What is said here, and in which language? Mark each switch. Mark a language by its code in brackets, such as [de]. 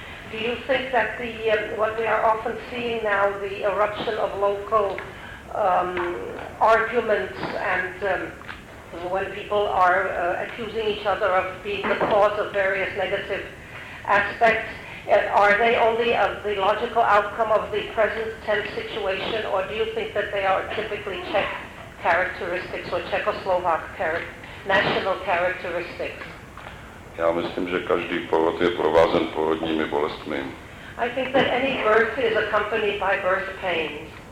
[en] Do you think that the what we are often seeing now, the eruption of local arguments and when people are accusing each other of being the cause of various negative aspects, are they only the logical outcome of the present tense situation, or do you think that they are typically Czech characteristics or Czechoslovak national characteristics? [cs] Já myslím, že každý porod je provázen porodními bolestmi. [en] I think that any birth is accompanied by birth pains.